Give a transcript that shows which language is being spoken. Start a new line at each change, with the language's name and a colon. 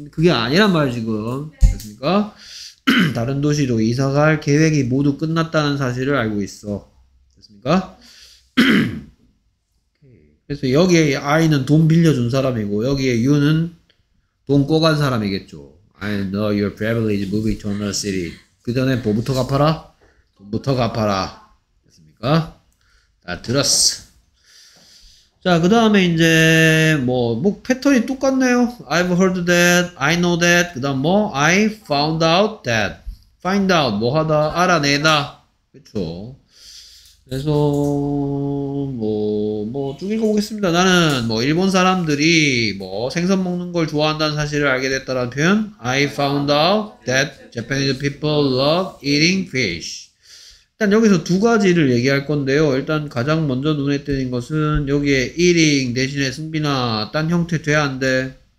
Korean: 그게 아니란 말이야 지금. 그렇습니까? 다른 도시로 이사 갈 계획이 모두 끝났다는 사실을 알고 있어. 됐습니까? 그래서 여기에 I는 돈 빌려준 사람이고 여기에 U는 돈 꿔간 사람이겠죠.
English: I know your family is moving to another city.
Korean: 그 전에 뭐부터 갚아라? 돈부터 갚아라. 됐습니까? 다 들었어. 자, 그 다음에 이제 뭐 패턴이 똑같네요.
English: I've heard that, I know that,
Korean: 그 다음 뭐
English: I found out that.
Korean: Find out, 뭐하다, 알아내다. 그쵸. 그래서 뭐 쭉 읽어보겠습니다. 나는 뭐 일본 사람들이 뭐 생선 먹는 걸 좋아한다는 사실을 알게 됐다라는 표현.
English: I found out that Japanese people love eating fish.
Korean: 일단 여기서 두 가지를 얘기할 건데요. 일단 가장 먼저 눈에 띄는 것은 여기에 eating 대신에 승비나 딴 형태 돼야 안 돼?